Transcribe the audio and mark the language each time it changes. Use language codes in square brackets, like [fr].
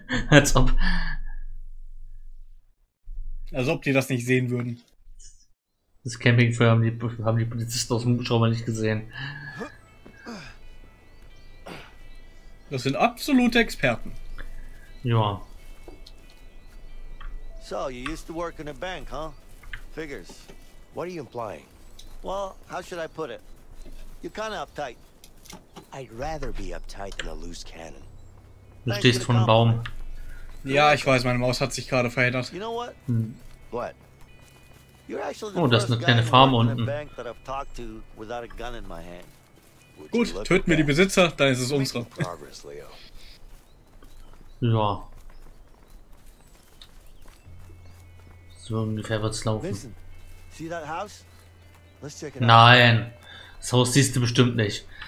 [de] Als ob. Als ob die das nicht sehen würden. Das Campingfeuer haben die Polizisten aus dem Hubschrauber nicht gesehen. Das sind absolute Experten. Ja. [en] So, you used to work in a bank, huh? Figures. What are you implying? Well, how should I put it? You're kind of uptight. I'd rather be uptight than a loose cannon. [de] Du stehst vor einem Baum. Ja, ich weiß, meine Maus hat sich gerade verheddert. [en] You know what? What? You're actually the [de] oh, das ist eine kleine Farm unten. [en] Bank that I've talked to without a gun in my hand. [de] Gut, töten wir die Besitzer, dann ist es unsere. [en] Progress, Leo. [de] Ja. So ungefähr wird's laufen. [en] See that house? Let's check it out. [de] Nein, das Haus siehst du bestimmt nicht.